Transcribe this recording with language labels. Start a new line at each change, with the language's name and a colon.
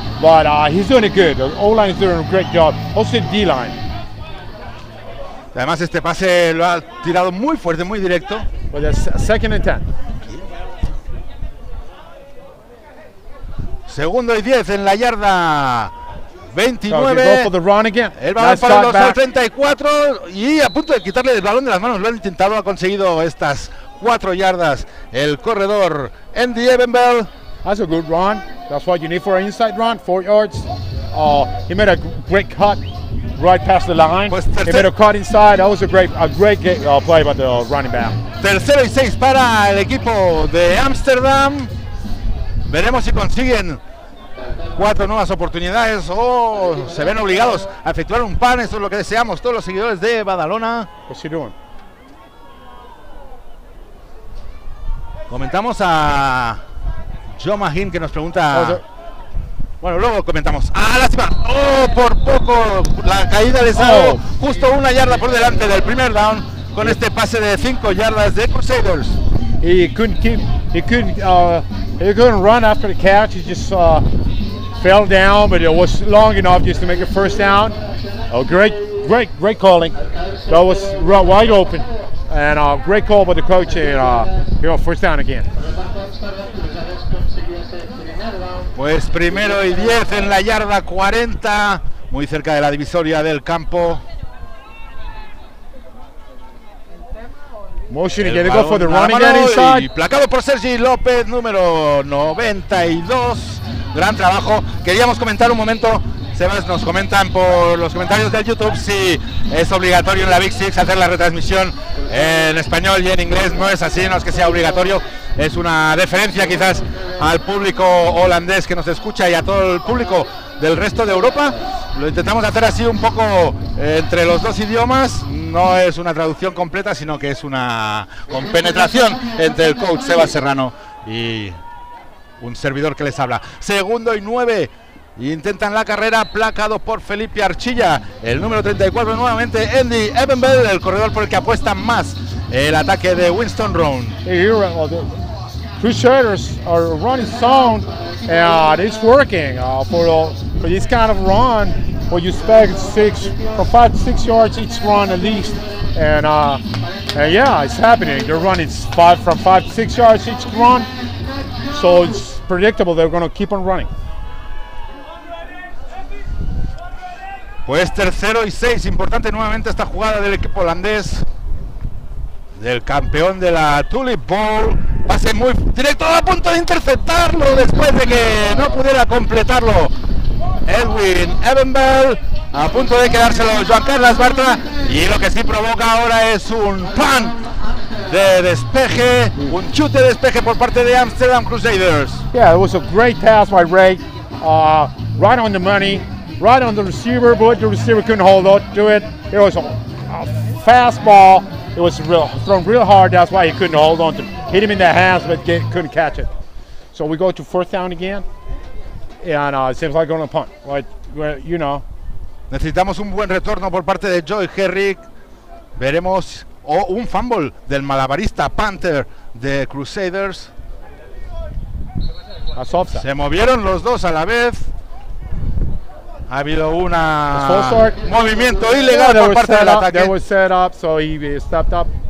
English: But he's doing it good. The O-line is doing a great job. Also the D-line.
Spanish: Además, este pase lo ha tirado muy fuerte, muy directo.
English: But that's second and 10.
Spanish: Segundo y 10 en la yarda 29.
English: So go for the run again.
Spanish: El balón nice para los 34 y a punto de quitarle el balón de las manos. Lo han intentado, ha conseguido estas 4 yardas el corredor Andy Evenbell.
English: That's a good run. That's what you need for an inside run, 4 yards. He made a great cut right past the line. Pues he made a cut inside. That was a great play by the running back.
Spanish: Tercero y 6 para el equipo de Amsterdam. Veremos si consiguen 4 nuevas oportunidades o se ven obligados a efectuar un pan. Eso es lo que deseamos todos los seguidores de Badalona.
English: What's he doing?
Spanish: Comentamos a Joe Mahin que nos pregunta. Bueno, luego comentamos. ¡Ah, lástima! ¡Oh, por poco! La caída le salió justo una yarda por delante del primer down con este pase de 5 yardas de Crusaders.
English: He couldn't keep. He couldn't run after the catch. He just fell down, but it was long enough just to make a first down. Oh, great calling. That was wide open. And a great call by the coach, and here on first down again. Pues primero y 10 en la yarda 40, muy cerca de la divisoria del campo. Motion again, go for the running game inside.
Spanish: Placado por Sergi López, número 92. Gran trabajo. Queríamos comentar un momento. Sebas, nos comentan por los comentarios del YouTube si es obligatorio en la Big Six hacer la retransmisión en español y en inglés. No es así, no es que sea obligatorio. Es una deferencia quizás al público holandés que nos escucha y a todo el público del resto de Europa. Lo intentamos hacer así un poco entre los dos idiomas. No es una traducción completa, sino que es una compenetración entre el coach Sebas Serrano y un servidor que les habla. Segundo y 9. Intentan la carrera, placado por Felipe Archilla, el número 34 nuevamente, Andy Evenbell, el corredor por el que apuesta más el ataque de Winston Roan.
English: The Crusaders are running sound, and it's working for this kind of run, what you expect, 5-6 yards each run at least, and yeah, it's happening, they're running from 5-6 yards each run, so it's predictable, they're going to keep on running.
Spanish: Pues tercero y 6, importante nuevamente esta jugada del equipo holandés, del campeón de la Tulip Bowl. Pase muy directo, a punto de interceptarlo después de que no pudiera completarlo Edwin Evenbell, a punto de quedárselo Joan Carles Bartra, y lo que sí provoca ahora es un pan de despeje, un chute de despeje por parte de Amsterdam Crusaders.
English: Yeah, it was a great pass by Ray, right on the money. Right on the receiver, but the receiver couldn't hold on to it. It was a fast ball. It was thrown real hard. That's why he couldn't hold on to it. Hit him in the hands, but couldn't catch it. So we go to fourth down again. And it seems like going to punt. You know.
Spanish: Necesitamos un buen retorno por parte de Joy Herrick. Veremos un fumble del malabarista Panther de Crusaders.
English: That's offside.
Spanish: Se movieron los dos a la vez. Ha habido un movimiento ilegal por parte del ataque.
English: They were set up, so he stepped up.